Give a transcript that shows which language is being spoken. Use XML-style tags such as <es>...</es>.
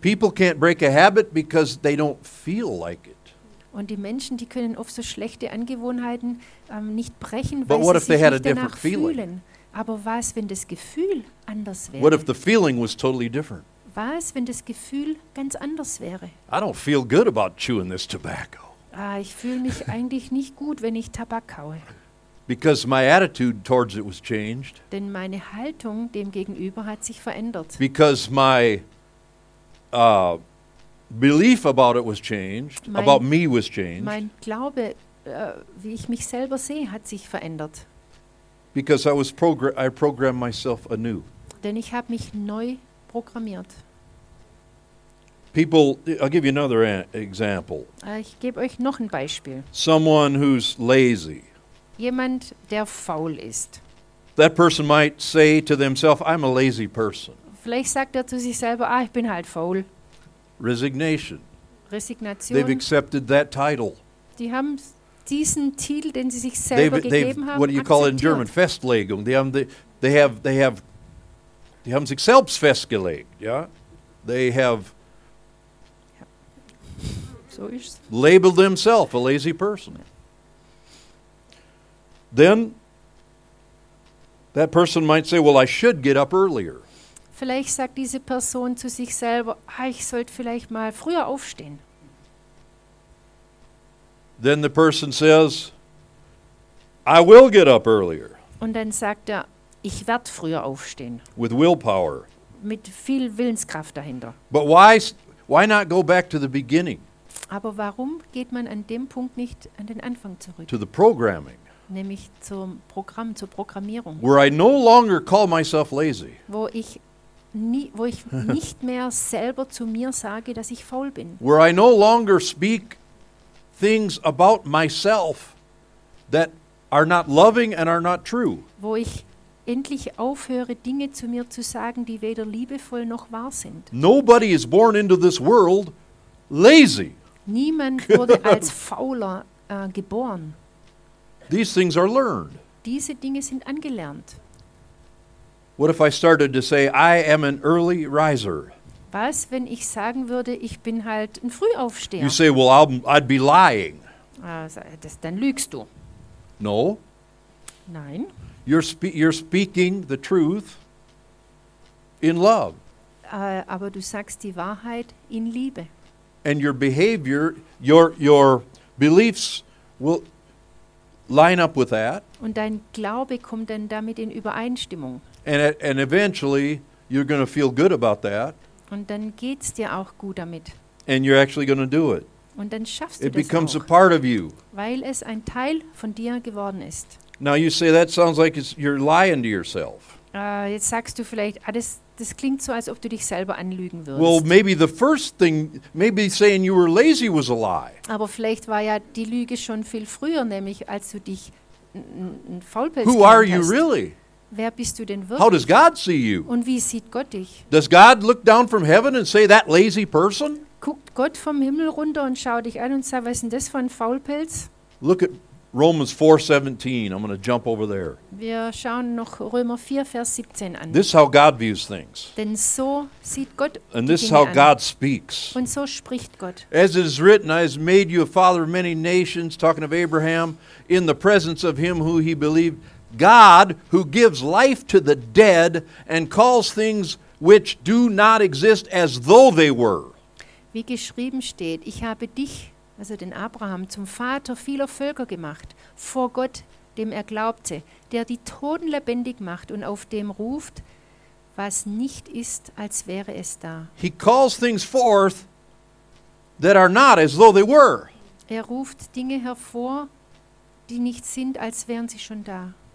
<en>People can't break a habit because they don't feel like it.</en> <de>Und die Menschen, die können oft so schlechte Angewohnheiten nicht brechen, weil sie sich nicht danach fühlen. Aber was, wenn das Gefühl anders wäre?</de> <en>What if the feeling was totally different?</en> <de>Was, wenn das Gefühl ganz anders wäre?</de> <en>I don't feel good about chewing this tobacco.</en> <de>Ich fühle mich eigentlich nicht gut, wenn ich Tabak kaue.</de> <en>Because my attitude towards it was changed.</en> <de>Denn meine Haltung dem gegenüber hat sich verändert.</de> <en>Because my belief about it was changed. About me was changed.</en> <de>Mein Glaube, wie ich mich selber sehe, hat sich verändert.</de> <en>Because I programmed myself anew.</en> <de>Denn ich habe mich neu programmiert.</de> <en>People, I'll give you another example.</en> <de>Ich gebe euch noch ein Beispiel.</de> <en>Someone who's lazy.</en> <de>Jemand, der faul ist.</de> <en>That person might say to themselves, I'm a lazy person.</en> <de>Vielleicht sagt er zu sich selber, ich bin halt faul.</de> <en>Resignation. They've accepted that title.</en> <de>Die haben diesen Titel, den sie sich selber gegeben haben, akzeptiert.</de> <en>What do you call it in German? Festlegung. They</en> <de>haben sich selbst festgelegt.</de> <en>Yeah? They have</en> <de>so ist's.</de> <en>Labeled themselves a lazy person. Then that person might say, well, I should get up earlier.</en> <de>Vielleicht sagt diese Person zu sich selber, ich sollte vielleicht mal früher aufstehen.</de> <en>Then the person says, I will get up earlier.</en> <de>Und dann sagt er, ich werde früher aufstehen.</de> <en>With willpower.</en> <de>Mit viel Willenskraft dahinter.</de> <en>But why not go back to the beginning?</en> <de>Aber warum geht man an dem Punkt nicht an den Anfang zurück?</de> <en>To the programming.</en> <de>Nämlich zum Programm, zur Programmierung.</de> <en>Where I no longer call myself lazy.</en> <de>Wo ich nicht mehr selber zu mir sage, dass ich faul bin.</de> <en>Where I no longer speak things about myself that are not loving and are not true.</en> <de>Wo ich endlich aufhöre, Dinge zu mir zu sagen, die weder liebevoll noch wahr sind.</de> <en>Nobody is born into this world lazy.</en> <de>Niemand wurde als fauler geboren.</de> <en>These things are learned.</en> <de>Diese Dinge sind angelernt.</de> <en>What if I started to say, I am an early riser?</en> <de>Was, wenn ich sagen würde, ich bin halt ein Frühaufsteher?</de> <en>You say, well, I'd be lying.</en> <de>Dann lügst du.</de> <en>No.</en> <de>Nein.</de> <en>You're speaking the truth in love.</en> <de>Aber du sagst die Wahrheit in Liebe.</de> <en>And your behavior, your beliefs will line up with that.</en> <de>Und dein Glaube kommt dann damit in Übereinstimmung.</de> <en>And eventually you're going to feel good about that.</en> <de>Und dann geht's dir auch gut damit.</de> <en>And you're actually going to do it.</en> <de>Und dann schaffst du das auch.</de> <en>It becomes a part of you.</en> <de>Weil es ein Teil von dir geworden ist.</de> <en>Now you say that sounds like you're lying to yourself.</en> <de>Jetzt sagst du vielleicht, ah, das, das klingt so, als ob du dich selber anlügen würdest.</de> <en>Well, maybe the first thing, maybe saying you were lazy was a lie.</en> <de>Aber vielleicht war ja die Lüge schon viel früher, nämlich als du dich ein Faulpelz genannt hast.</de> <en>Who are you really?</en> <de>Wer bist du denn wirklich?</de> <en>How does God see you?</en> <de>Und wie sieht Gott dich?</de> <en>Does God look down from heaven and say that lazy person?</en> <de>Guckt Gott vom Himmel runter und schaut dich an und sagt, was ist denn das für ein Faulpelz?</de> <en>Look at Romans 4:17. I'm going to jump over there.</en> <de>Wir schauen noch Römer 4 Vers 17 an.</de> <en>This is how God views things.</en> <de>Denn so sieht Gott die Dinge an.</de> <en>And this is how God speaks.</en> <de>Und so spricht Gott.</de> <en>As it is written, I have made you a father of many nations, talking of Abraham, in the presence of him who he believed. God, who gives life to the dead and calls things which do not exist as though they were.</en> <de>Wie geschrieben steht, ich habe dich, also den Abraham, zum Vater vieler Völker gemacht, vor Gott, dem er glaubte, der die Toten lebendig macht und auf dem ruft, was nicht ist, als wäre es da.</de> <en>He calls things forth that are not as though they were.</en> <de>Er ruft Dinge hervor, die nicht sind, als wären sie schon da.</de>